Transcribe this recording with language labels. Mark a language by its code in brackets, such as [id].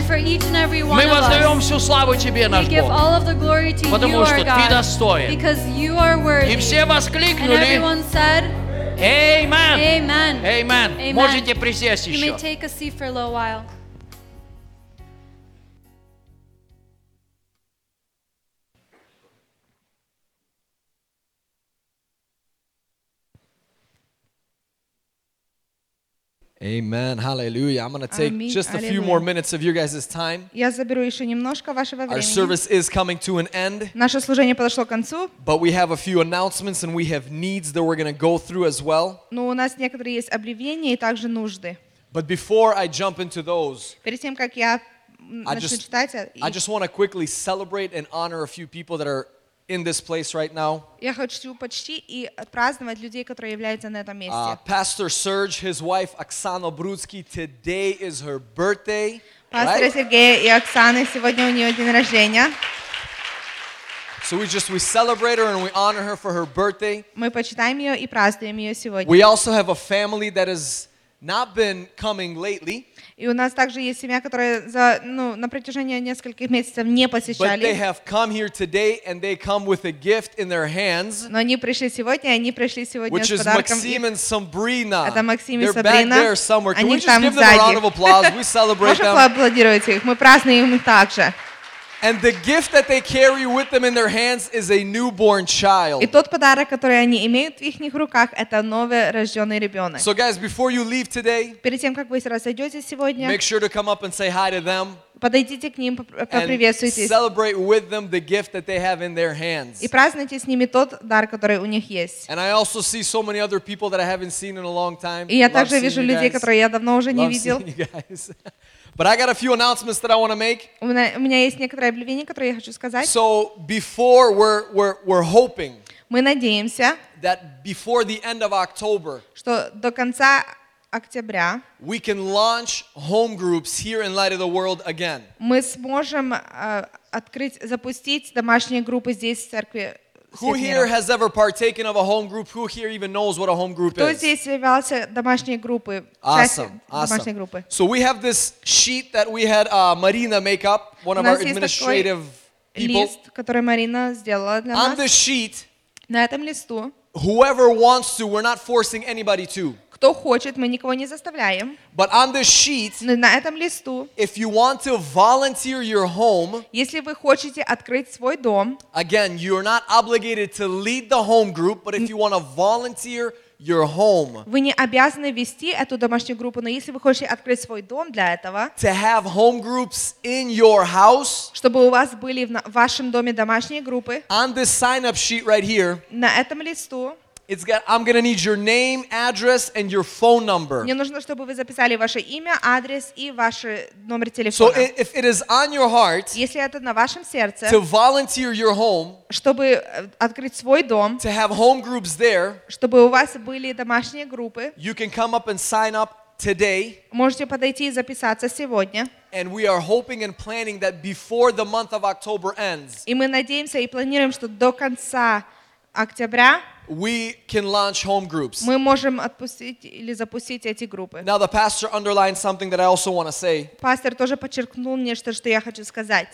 [ru] Мы воздаем всю славу Тебе, наш Бог, потому что Ты достоин. И все воскликнули. [en] And everyone said, Amen. Amen. Amen. Amen. [ru] Можете присесть еще. [en] You may take a seat for a little while. Amen. Hallelujah. I'm going to take just a few more minutes of your guys' time. [ru] Я заберу еще немножко вашего времени. [en] Our service is coming to an end. [ru] Наше служение подошло к концу. [en] But we have a few announcements and we have needs that we're going to go through as well. [ru] Но у нас некоторые есть объявления и также нужды. [en] But before I jump into those, [ru] перед тем как я начну читать, [en] I just want to quickly celebrate and honor a few people that are in this place right now. [ru] Я хочу почтить и отпраздновать людей, которые являются на этом месте. [en] Pastor Serge, his wife Оксана Бруцкий, today is her birthday. [ru] Пастор Сергей и Оксана, сегодня у нее день рождения. [en] So we celebrate her and we honor her for her birthday. [ru] Мы почитаем ее и празднуем ее сегодня. [en] We also have a family that has not been coming lately. [ru] И у нас также есть семья, которая за, ну, на протяжении нескольких месяцев не посещали. [en] But they have come here today and they come with a gift in their hands. [ru] Но они пришли сегодня, и они пришли сегодня [en] which [ru] с подарком. [en] Which is Максим and Sabrina. [ru] Это Максим и [en] They're [ru] Сабрина. [en] Back there somewhere. Can [ru] они [en] we just give them a round of applause? We celebrate them. [ru] Поаплодируйте их. Мы празднуем их также. [en] And the gift that they carry with them in their hands is a newborn child. [ru] И тот подарок, который они имеют в их руках, это новорожденный ребенок. [en] So guys, before you leave today, [ru] перед тем как вы разойдетесь сегодня, [en] make sure to come up and say hi to them. [ru] Подойдите к ним, поприветствуйте. [en] And celebrate with them the gift that they have in their hands. [ru] И празднуйте с ними тот дар, который у них есть. [en] And I also see so many other people that I haven't seen in a long time. [ru] И я также вижу людей, которые я давно уже не видел. [en] Love seeing you guys. But I got a few announcements that I want to make. [ru] У меня есть некоторые объявления, которые я хочу сказать. [en] So before we're hoping. [ru] Мы надеемся. [en] That before the end of October. [ru] Что до конца октября. [en] We can launch home groups here in Light of the World again. [ru] Мы сможем открыть, запустить домашние группы здесь в церкви. [en] Who here has ever partaken of a home group? Who here even knows what a home group [ru] Кто [en] is? [ru] Кто здесь являлся домашней группой? [en] Awesome. [ru] Группы. [en] So we have this sheet that we had Marina make up, one [ru] у [en] of our administrative people. [ru] Лист, который Марина сделала для [en] On [ru] нас. [en] This sheet, [ru] на этом листу, [en] whoever wants to, we're not forcing anybody to. [ru] Кто хочет, мы никого не заставляем. [en] But on this sheet, [ru] на этом листу, [en] if you want to volunteer your home, [ru] если вы хотите открыть свой дом, [en] again, you're not obligated to lead the home group, but if you want to volunteer your home, [ru] вы не обязаны вести эту домашнюю группу, но если вы хотите открыть свой дом для этого, [en] to have home groups in your house, [ru] чтобы у вас были в вашем доме домашние группы, [en] on this sign-up sheet right here, [ru] на этом листу, [en] It's got, I'm going to need your name, address, and your phone number. [ru] Мне нужно, чтобы вы записали ваше имя, адрес и ваш номер телефона. [en] So if it is on your heart, [ru] если это на вашем сердце, [en] to volunteer your home, [ru] чтобы открыть свой дом, [en] to have home groups there, [ru] чтобы у вас были домашние группы, [en] you can come up and sign up today. [ru] Можете подойти и записаться сегодня. [en] And we are hoping and planning that before the month of October ends. [ru] И мы надеемся и планируем, что до конца октября [en] We can launch home groups. [ru] Мы можем отпустить или запустить эти группы. [en] Now the pastor underlined something that I also want to say. [ru] Пастор тоже подчеркнул мне что, что я хочу сказать.